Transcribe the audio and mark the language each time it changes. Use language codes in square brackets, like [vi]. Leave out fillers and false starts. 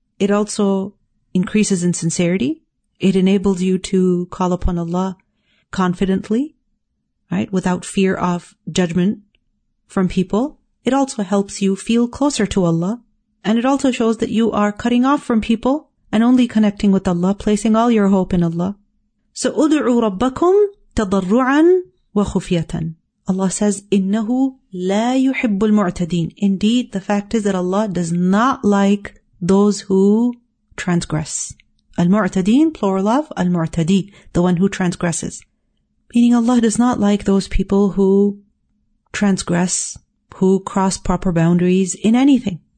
[en] It also increases in sincerity. It enables you to call upon Allah confidently, right? Without fear of judgment from people. It also helps you feel closer to Allah. And it also shows that you are cutting off from people and only connecting with Allah, placing all your hope in Allah. So, [ar] ادعوا ربكم تضرعا وخفية. [en] Allah says, [ar] إِنَّهُ لَا يُحِبُّ الْمُعْتَدِينَ. [en] Indeed, the fact is that Allah does not like those who transgress. Al-mu'tadin, plural of al-mu'tadi, the one who transgresses. Meaning Allah does not like those people who transgress, who cross proper boundaries in anything.